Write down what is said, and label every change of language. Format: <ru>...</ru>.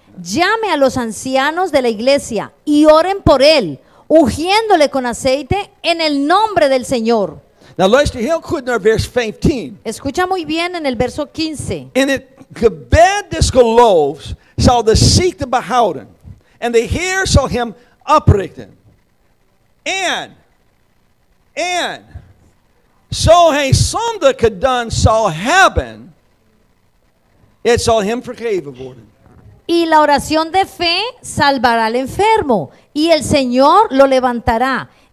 <es>Llame a los ancianos de la iglesia y oren por él, ungiéndole con aceite en el nombre del Señor.</es> <nl>Now luister heel goed naar vers 15.</nl> <es>Escucha muy bien en el verso 15.</es> <nl>In het gebed des geloofs zal de ziekte behouden. En de Heer zal hem oprichten. En zo hij zonde gedaan zal hebben, het zal hem vergeven worden.</nl> <es>Y la oración de fe salvará al enfermo, y el Señor lo levantará.</es>